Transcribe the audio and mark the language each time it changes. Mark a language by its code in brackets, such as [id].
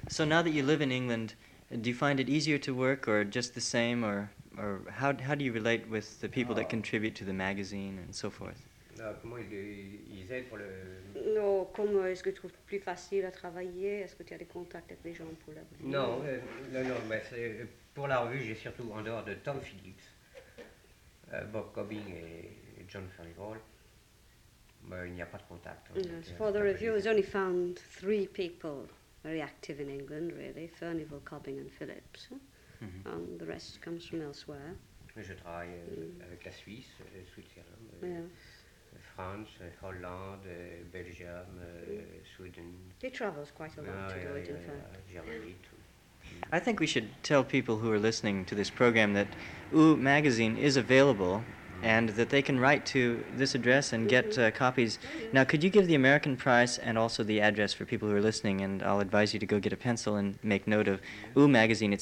[en] So now that you live in England, do you find it easier to work, or just the same, or how do you relate with the people that contribute to the magazine and so forth? [fr] No, comment est-ce que tu trouves plus facile à travailler? Est-ce que tu as des contacts avec des gens pour la revue? Non, mais c'est pour la revue, j'ai surtout en dehors de Tom Phillips, Bob Cobbing et John Farrell. Mais il n'y a pas de contact. [en] For the review, I've only found 3 people. Very active in England, really, Furnival, Cobbing and Phillips. Mm-hmm. And the rest comes from elsewhere. [fr] Je travaille avec la Suisse, [en] Switzerland, France, Holland, Belgium, Sweden. He travels quite a lot in fact. Germany too. I think we should tell people who are listening to this program that OU magazine is available and that they can write to this address and get copies. Now, could you give the American price and also the address for people who are listening, and I'll advise you to go get a pencil and make note of OU magazine.